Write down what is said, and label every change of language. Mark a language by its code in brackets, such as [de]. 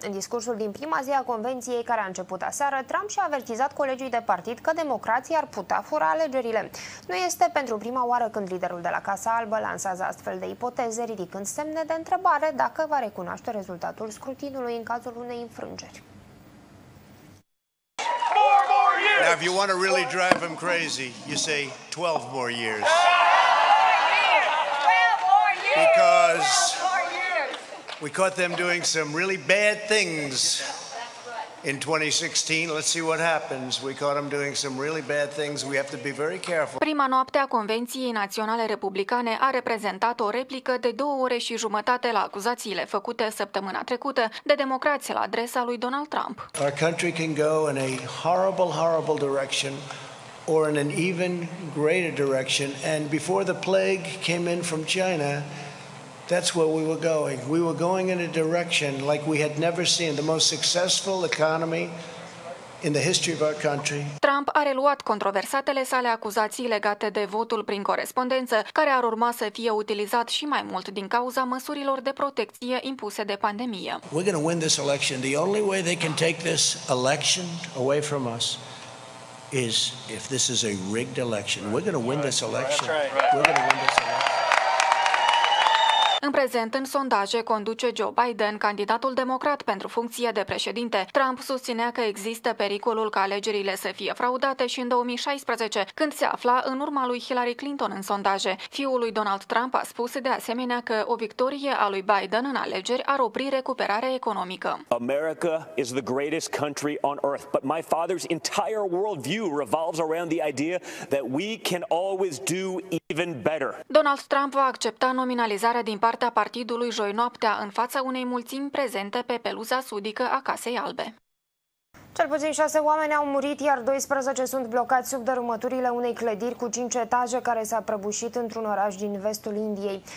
[ro] În discursul din prima zi a convenției care a început aseară, Trump și-a avertizat colegii de partid că democrația ar putea fura alegerile. Nu este pentru prima oară când liderul de la Casa Albă lansează astfel de ipoteze, ridicând semne de întrebare dacă va recunoaște rezultatul scrutinului în cazul unei înfrângeri. [en] Now, if you want to really drive him crazy, you say 12 more years. Because we caught them doing some really bad things in 2016. Let's see what happens. We caught them doing some really bad things. We have to be very careful. [ro] Prima noapte a Convenției Naționale Republicane a reprezentat o replică de 2 ore și jumătate la acuzațiile făcute săptămâna trecută de democrați la adresa lui Donald Trump. [en] Our country can go in a horrible, horrible direction. Or in an even greater direction. And before the plague came in from China, that's where we were going. We were going in a direction like we had never seen, the most successful economy in the history of our country. [ro] Trump a reluat controversatele sale acuzații legate de votul prin corespondență, care ar urma să fie utilizat și mai mult din cauza măsurilor de protecție impuse de pandemie. [en] We're going to win this election. The only way they can take this election away from us is if this is a rigged election. We're going to win this election. We're going to win this election. [ro] În prezent, în sondaje, conduce Joe Biden, candidatul democrat pentru funcția de președinte. Trump susținea că există pericolul ca alegerile să fie fraudate și în 2016, când se afla în urma lui Hillary Clinton în sondaje. Fiul lui Donald Trump a spus de asemenea că o victorie a lui Biden în alegeri ar opri recuperarea economică. [en] America is the greatest country on earth, but my father's entire worldview revolves around the idea that we can always do even better. [ro] Donald Trump va accepta nominalizarea din partea partidului joi noaptea în fața unei mulțimi prezente pe peluza sudică a Casei Albe. Cel puțin 6 oameni au murit, iar 12 sunt blocați sub dărâmăturile unei clădiri cu 5 etaje care s-a prăbușit într-un oraș din vestul Indiei.